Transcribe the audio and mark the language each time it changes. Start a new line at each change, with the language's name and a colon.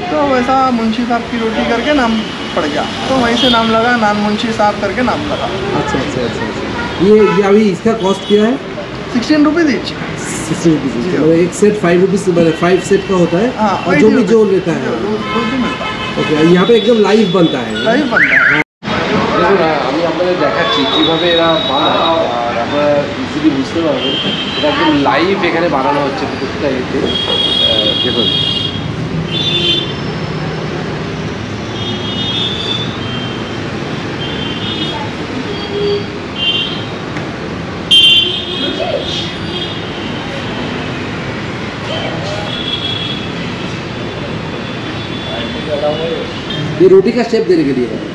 Hindi: तो वैसा मुंशी साहब की रोटी करके नाम पड़ गया, तो वहीं से नाम लगा, नान मुंशी साहब करके नाम लगा। अच्छा अच्छा अच्छा, ये अभी इसका कॉस्ट क्या है?
English: 16 rupees each.
Hindi: 16 रुपीज़, तो एक सेट 5 रुपीज़ से, मतलब 5 सेट का होता है। हाँ, और जो भी जो लेता है वो भी मिलता। ओके, यहाँ पे एकदम लाइव बनता है, लाइव बनता है।
Bangla: দেখুন, আমি আপনাদের দেখাচ্ছি কীভাবে এরা বানায়, আর আপনারা ইজিলি বুঝতে পারবেন এটা একদম লাইভ এখানে বানানো হচ্ছে প্রত্যেকটা ইয়েতে।
Hindi: দেখুন, ये रोटी का शेप देने के लिए है।